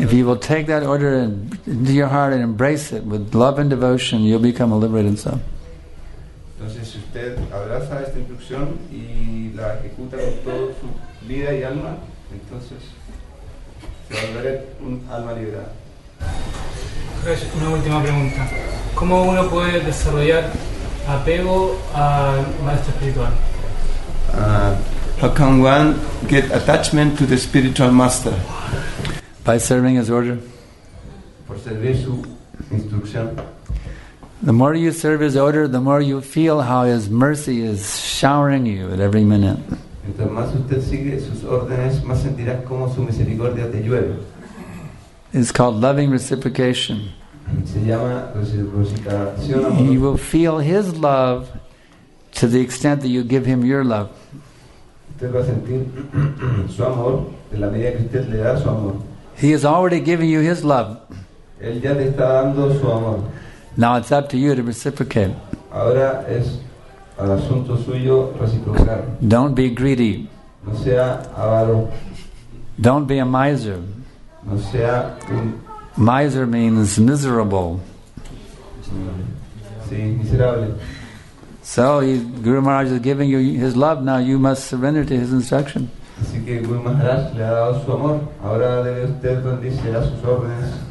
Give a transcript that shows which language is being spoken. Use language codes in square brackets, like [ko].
[en] If you will take that order into your heart and embrace it with love and devotion, you'll become a liberated soul. [es] Entonces, si usted abraza esta instrucción y la ejecuta con toda su vida y alma, entonces se va a volver un alma liberada. Una última pregunta. ¿Cómo uno puede desarrollar apego al maestro espiritual? [en] How can one get attachment to the spiritual master? By serving his order. [es] Por servir su instrucción. [en] The more you serve his order, the more you feel how his mercy is showering you at every minute. [es] Mientras más usted sigue sus órdenes, más sentirá cómo su misericordia te llueve. [en] It's called loving reciprocation. [es] Se llama reciprocación. [en] You will feel his love to the extent that you give him your love. [es] Usted va a sentir su amor en la medida que usted le da su amor. [en] He has already given you his love. [es] Él ya te está dando su amor. [en] Now it's up to you to reciprocate. [es] Ahora es al asunto suyo reciprocar. [en] Don't be greedy. [es] No sea avaro. [en] Don't be a miser. [es] No sea un... [en] Miser means miserable. [es] Sí, miserable. [en] So Guru Maharaj is giving you his love, now you must surrender to his instruction. [es] Así que Guru Maharaj le ha dado su amor, ahora debe usted rendirse a sus órdenes.